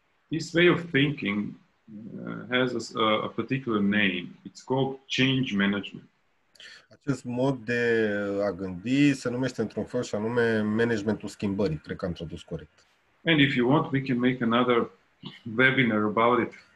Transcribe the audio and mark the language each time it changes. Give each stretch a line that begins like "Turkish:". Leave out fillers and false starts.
English: This way of thinking has a particular name. It's called change management.
Romanian: Acest mod de a gândi se numește într-un fel și anume managementul schimbării, cred că am tradus corect.
English: And if you want, we can make another webinar about it.